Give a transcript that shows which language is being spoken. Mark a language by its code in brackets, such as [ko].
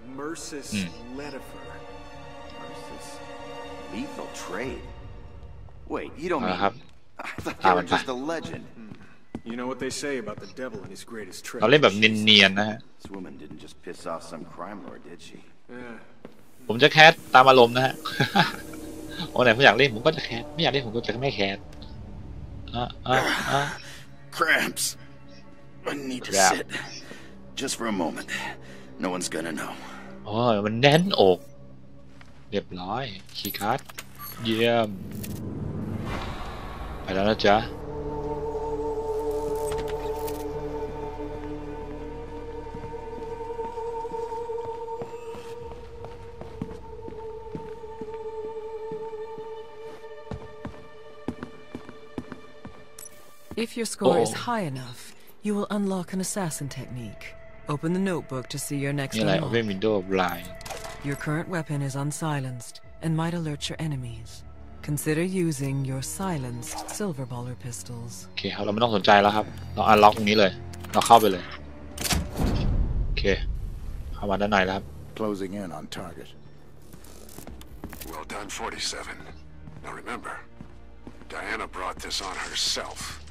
[en] Mercus Ledifer. Mercus. Lethal trade. Wait, you don't mean... I thought you were just a legend. You know what they say about the devil and his greatest trick. [th] เราเล่นแบบเนียนๆนะฮะ [en] This woman didn't just piss off some crime lord, did she? [th] ผมจะแคสตามอารมณ์นะฮะโอ้ไหนผมอยากเล่นผมก็จะแคสไม่อยากเล่นผมก็จะไม่แคส [en] Cramps. I need to yeah. sit just for a moment. No one's gonna know. [th] Oh, มันแน่นอกเรียบร้อยคีย์การ์ดเยี่ยมไปแล้วนะจ๊ะ [en] If your score is high enough. You will unlock an assassin technique. Open the notebook to see your next unlock. Yeah, open window of line. Your current weapon is unsilenced and might alert your enemies. Consider using your silenced silver baller pistols. [th] Okay, เราไม่ต้องสนใจแล้วครับเราอันล็อกตรงนี้เลยเราเข้าไปเลยโอเคเข้ามาด้านในแล้วครับ [en] Closing in on target. Well done, 47. Now remember, Diana brought this on herself.